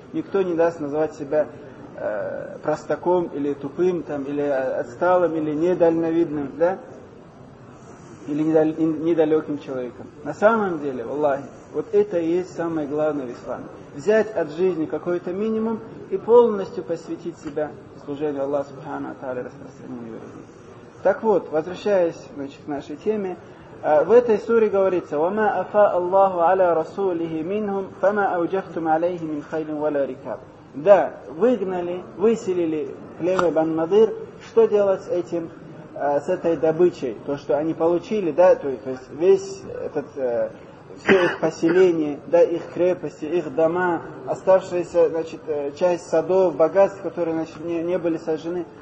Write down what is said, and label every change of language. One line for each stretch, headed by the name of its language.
Russian: Никто не даст называть себя простаком или тупым, там, или отсталым, или недальновидным, да? Или недалеким человеком. На самом деле, валлахи, вот это и есть самое главное в исламе. Взять от жизни какой-то минимум и полностью посвятить себя служению Аллаху Субхану ва Тааля, распространению его религии. Так вот, возвращаясь, значит, к нашей теме, в этой суре говорится:
Arabic: وَمَا أَفَاءَ اللَّهُ عَلَى رَسُولِهِ مِنْهُمْ فَمَا أَوْجَفْتُمْ عَلَيْهِ مِنْ خَيْلٍ وَلَا رِكَابٍ.
Russian: Да, выгнали, выселили племя Бану Надир. Что делать с этим, с этой добычей? То, что они получили, да, то есть весь этот, все их поселение, да, их крепости, их дома, оставшаяся, значит, часть садов, богатств, которые, значит, не были сожжены.